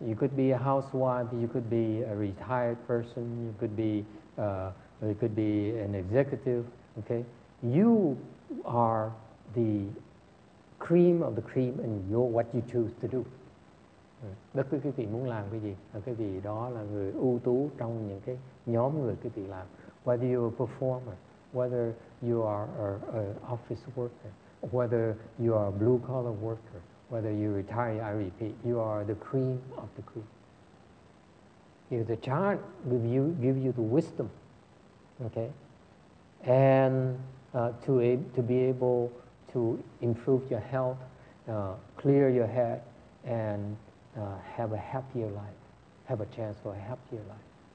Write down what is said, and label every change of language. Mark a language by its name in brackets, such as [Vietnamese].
[English] You could be a housewife, you could be a retired person, you could be it could be an executive, okay? You are the cream of the cream and you're what you choose to do. [Vietnamese] Bất cứ quý vị muốn làm cái gì, cái gì đó là người ưu tú trong những cái nhóm người quý vị làm. [English] Whether you're a performer, whether you are an office worker, whether you are a blue-collar worker, whether you retire, I repeat, you are the cream of the cream. If the chant give you the wisdom, okay, and to be able to improve your health, clear your head, and have a happier life, have a chance for a happier life.